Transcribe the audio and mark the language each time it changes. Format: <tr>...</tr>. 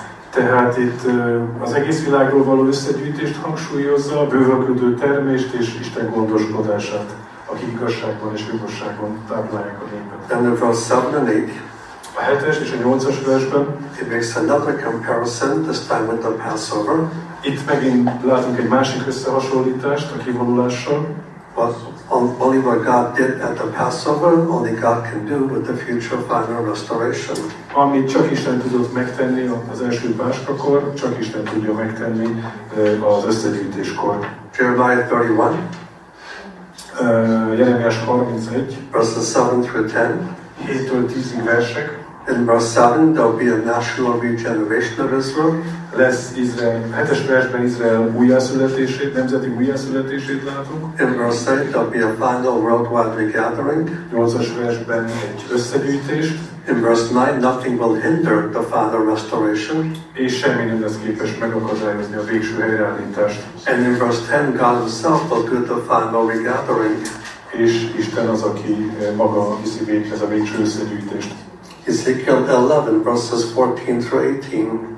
<hu>Tehát itt az egész világról való összegyűjtést hangsúlyozza, a bővölködő termést és Isten gondoskodását, aki igazságban és jogosságban táplálják a népet.</hu> <en>And in verse 7 and 8,</en> <hu>a 7-es és a 8-as versben,</hu> <en>it makes another comparison, this time with the Passover.</en> <hu>Itt megint látunk egy másik összehasonlítást a kivonulással.</hu> <en>But only what God did at the Passover, only God can do with the future final restoration.</en> <hu>Amit csak Isten tudott megtenni az első páskakor, csak Isten tudja megtenni az összegyűjtéskor.</hu> <en>Jeremiah 31. Jeremiah 31. Verses 7 through 10.</en> <hu>7-től 10-ig versek.</hu> <en>In verse 7, there'll be a national regeneration of Israel.</en> <hu>Lesz Izrael, 7-es versben Izrael újjászületését, nemzeti újjászületését látunk.</hu> <en>In verse 8, there'll be a final worldwide regathering.</en> <hu>8-as versben egy összegyűjtés.</hu> <en>In verse 9, nothing will hinder the final restoration.</en> <hu>És semmi nem lesz képes megakadályozni a végső helyreállítást.</hu> <en>And in verse 10, God himself will do the final regathering.</en> <hu>És Isten az, aki maga viszi végre a végső összegyűjtést.</hu> <en>Ezekiel 11, verses 14 through 18.</en>